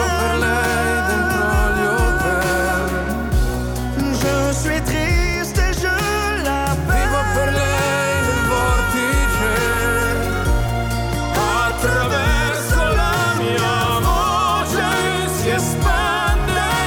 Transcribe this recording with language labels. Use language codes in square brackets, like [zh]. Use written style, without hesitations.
[it] Vivo per lei dentro gli hotel. [fr] Je suis triste et je l'appelle. [it] Vivo per lei nel vortice, attraverso la mia voce si espande.